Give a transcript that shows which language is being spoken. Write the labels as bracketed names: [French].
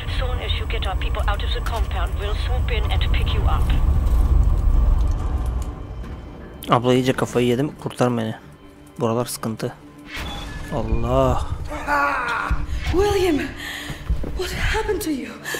[English] Soon as you get our people out of the compound, we'll swoop in and pick you up. [Turkish] Abla iyice kafayı yedim, kurtar beni. Buralar sıkıntı. Allah. [English] William, what happened to you?